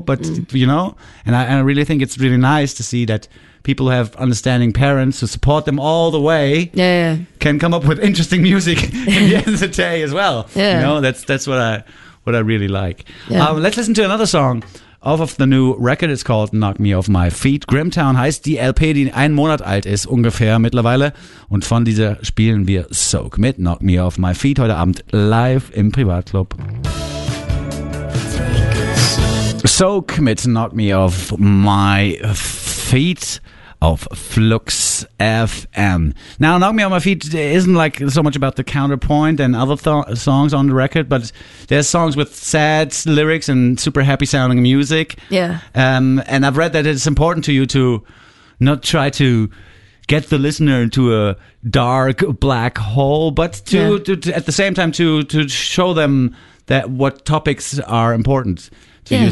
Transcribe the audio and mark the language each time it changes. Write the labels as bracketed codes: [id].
[en] But you know, and I really think it's really nice to see that people who have understanding parents who support them all the way can come up with interesting music at the end of the day as well. Yeah. You know, that's what I really like. Yeah. Let's listen to another song off of the new record. It's called Knock Me Off My Feet. [de] Grimtown heißt die LP, die einen Monat alt ist, ungefähr mittlerweile. Und von dieser spielen wir Soak mit Knock Me Off My Feet heute Abend live im Privatclub. Soak mit Knock Me Off My Feet auf Flux FM. [en] Now, Knock Me On My Feet isn't like so much about the counterpoint and other songs on the record, but there's songs with sad lyrics and super happy sounding music. Yeah. And I've read that it's important to you to not try to get the listener into a dark black hole, but to at the same time to show them that what topics are important to you.